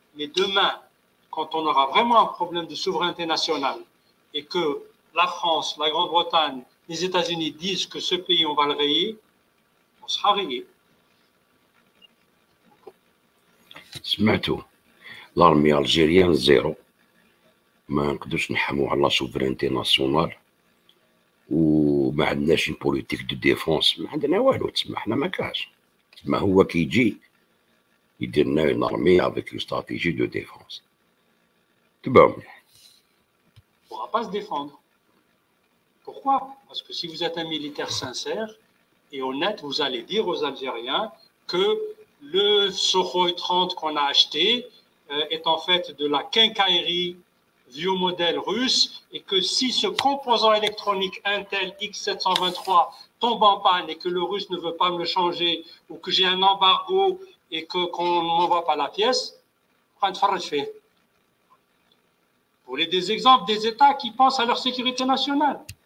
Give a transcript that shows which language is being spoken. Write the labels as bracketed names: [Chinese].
[French] Mais demain, quand on aura vraiment un problème de souveraineté nationale et que la France, la Grande-Bretagne, les États-Unis disent que ce pays, on va le rayer, on sera rayé. [Arabic] سمعتوا [French] لارمي الجيريان [Arabic] زيرو ما نقدرش نحموا على [French] سوفرينتي ناسيونال [Arabic] وما عندناش [French] بوليتيك دو ديفونس [Arabic] ما عندنا والو تسمى حنا ما كاش ما هو كيجي يدير لنا [French] لارمي افيك لو استراتيجي دو ديفونس [Arabic] تبعوا مليح [French] pour pas défendre pourquoi parce que si vous êtes un militaire sincère et honnête vous allez dire aux algériens que le Sukhoi 30 qu'on a acheté est en fait de la quincaillerie vieux modèle russe et que si ce composant électronique Intel X723 tombe en panne et que le russe ne veut pas me le changer ou que j'ai un embargo et qu'on ne m'envoie pas la pièce, vous voulez des exemples des États qui pensent à leur sécurité nationale.